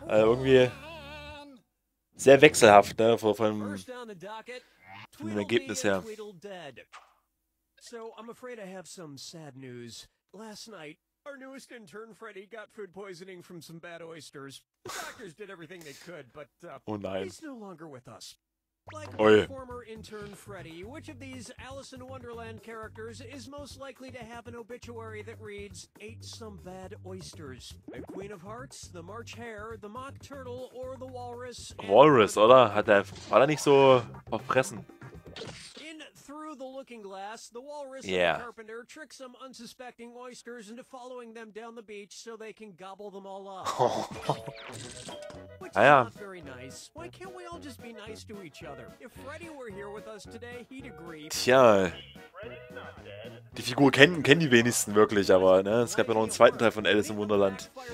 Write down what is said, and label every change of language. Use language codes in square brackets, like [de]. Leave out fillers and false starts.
[de] Also irgendwie sehr wechselhaft, ne, von dem Ergebnis her. [en] So, I'm afraid I have some sad news. Last night, our newest intern Freddy got food poisoning from some bad oysters. Doctors did everything they could, but he's no longer with us. Like our former intern Freddy, which of these Alice in Wonderland characters is most likely to have an obituary that reads, "Ate some bad oysters"? The Queen of Hearts, the March Hare, the Mock Turtle, or the Walrus? Walrus, oder? [de] War er nicht so verfressen? [en] In Through the Looking Glass, the Walrus and the Carpenter trick some unsuspecting oysters into following them down the beach so they can gobble them all up. Which is not very nice. Why can't we all just be nice to each other? If Freddy were here with us today, he'd agree. [de] Tja, die Figur kennen die wenigsten wirklich, aber ne, es gab ja noch einen zweiten Teil von Alice im Wunderland.